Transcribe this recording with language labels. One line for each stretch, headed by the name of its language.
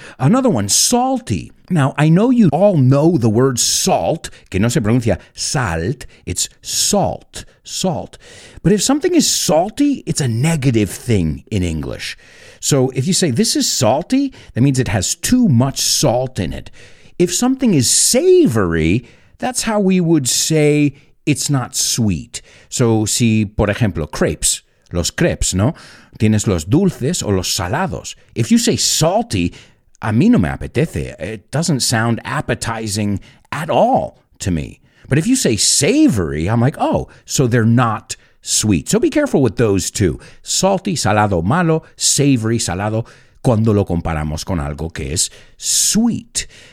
English: Another one, salty. Now, I know you all know the word salt,
Spanish: que no se pronuncia salt,
English: it's salt, salt. But if something is salty, it's a negative thing in English. So if you say this is salty, that means it has too much salt in it. If something is savory, that's how we would say it's not sweet.
Spanish: So si, por ejemplo, crepes, los crepes, ¿no? Tienes los dulces o los salados.
English: If you say salty,
Spanish: a mí no me apetece.
English: It doesn't sound appetizing at all to me. But if you say savory, I'm like, oh, so they're not sweet. So be careful with those two.
Spanish: Salty, salado, malo, savory, salado, cuando lo comparamos con algo que es sweet.